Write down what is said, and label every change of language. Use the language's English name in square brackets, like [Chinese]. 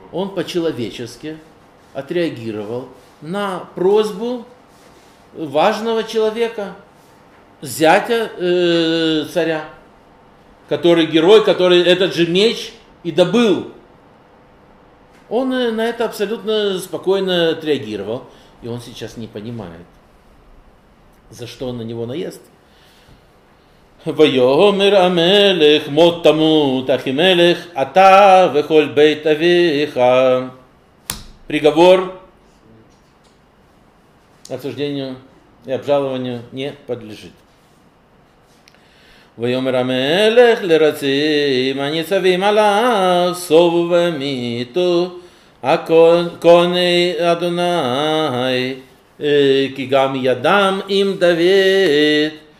[Russian] Он по-человечески отреагировал на просьбу важного человека, зятя царя, который герой, который этот же меч и добыл. Он на это абсолютно спокойно отреагировал. И он сейчас не понимает, за что он на него наезд. [Hebrew] ויאמר המלך מות תמות אחימלך אתה וכל בית אביך. [Russian] Приговор осуждению и обжалованию не подлежит. [Hebrew] ויאמר המלך לרצים הניצבים עליו סוב ומיתו הכהני אדוני כי גם ידם עם דוד.